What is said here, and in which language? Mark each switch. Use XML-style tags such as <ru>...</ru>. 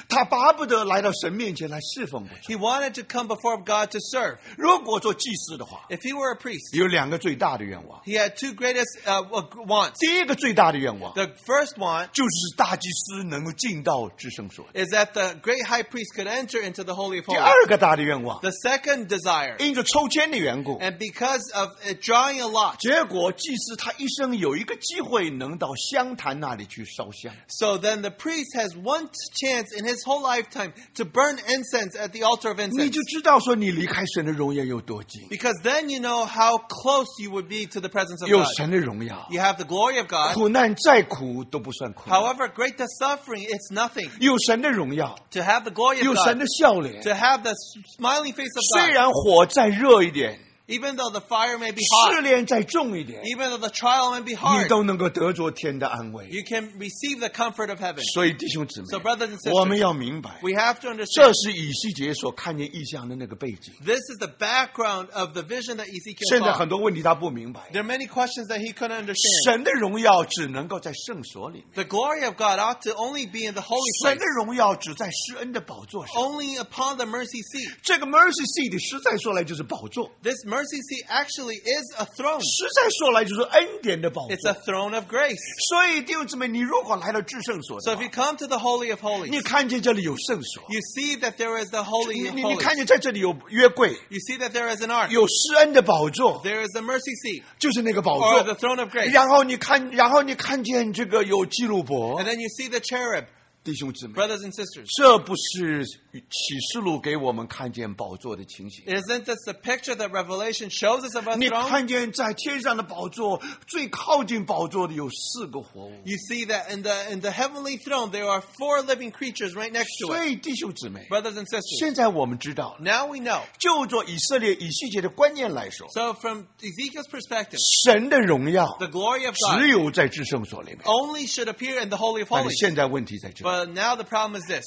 <zh>他巴不得来到神面前来侍奉。</zh> <en>He wanted to come before God to serve.</en> <zh>如果做祭司的话，</zh> <en>If he were a priest,</en> <zh>有两个最大的愿望。</zh> <en>He had two greatest wants.</en> <zh>第一个最大的愿望，</zh> <en>The first want,</en> <zh>就是大祭司能够进到至圣所，</zh> <en>is that the great high priest could enter into the Holy of Holies.</en> <zh>第二个大的愿望，</zh> <en>The second desire,</en> <zh>因着抽签的缘故，</zh> <en>and because of drawing a lot.</en> <zh>结果祭司他一生有一个机会能到香坛那里去烧香。</zh> <en>So then the priest has one chance in his whole lifetime to burn incense at the altar of incense.</en> <zh>你就知道说你离开神的荣耀有多近。</zh> <en>Because then you know how close you would be to the presence of God.</en> <zh>有神的荣耀。</zh> <en>You have the glory of God.</en> <zh>苦难再苦都不算苦难。</zh> <en>However great the suffering, it's nothing.</en> <zh>有神的荣耀。</zh> <en>To have the glory of God.</en> <zh>有神的笑脸。</zh> <en>To have the smiling face of God.</en> <zh>虽然火再热一点。</zh> <en>Even though the fire may be hot,</en> <zh>试炼再重一点，</zh> <en>even though the trial may be hard,</en> <zh>你都能够得着天的安慰，</zh> <en>you can receive the comfort of heaven.</en> <zh>所以弟兄姊妹，</zh> <en>so brothers and sisters,</en> <zh>我们要明白，</zh> <en>we have to understand,</en> <zh>这是以西结所看见异象的那个背景。</zh> <en>This is the background of the vision that Ezekiel saw.</en> <zh>现在很多问题他不明白，</zh> <en>there are many questions that he couldn't understand.</en> <zh>神的荣耀只能够在圣所里面，</zh> <en>the glory of God ought to only be in the holy place.</en> <zh>神的荣耀只在施恩的宝座上，</zh> <en>only upon the mercy seat.</en> <zh>这个 mercy seat 实在说来就是宝座。</zh> <en>This mercy seat actually is a throne.</en> <zh>实在说来就是恩典的宝座。</zh> <en>It's a throne of grace.</en> <zh>所以弟兄姊妹，你如果来到至圣所的话，</zh> <en>so if you come to the holy of holies,</en> <zh>你看见这里有圣所，</zh> <en>you see that there is the holy of holies.</en> <zh>你看见在这里有约柜，</zh> <en>you see that there is an ark.</en> <zh>有施恩的宝座，</zh> <en>there is the mercy seat.</en> <zh>就是那个宝座，</zh> <en>or the throne of grace.</en> <zh>然后你看见这个有基路伯，</zh> <en>and then you see the cherub.</en> <zh>弟兄姊妹，</zh> <en>Brothers and sisters,</en> <zh>这不是启示录给我们看见宝座的情形。</zh> <en>Isn't this the picture that Revelation shows us of a throne?</en> <zh>你看见在天上的宝座，最靠近宝座的有四个活物。</zh> <en>You see that in the heavenly throne, there are four living creatures right next to it.</en> <zh>所以弟兄姊妹，</zh> <en>Brothers and sisters,</en> <zh>现在我们知道，</zh> <en>Now we know,</en> <zh>就做以色列以西结的观念来说，</zh> <en>So from Ezekiel's perspective,</en> <zh>神的荣耀，</zh> <en>The glory of God,</en> <zh>只有在至圣所里面，</zh> <en>Only should appear in the Holy of Holies.</en> <zh>但是现在问题在这里。</zh> <en>But now the problem is this.</en>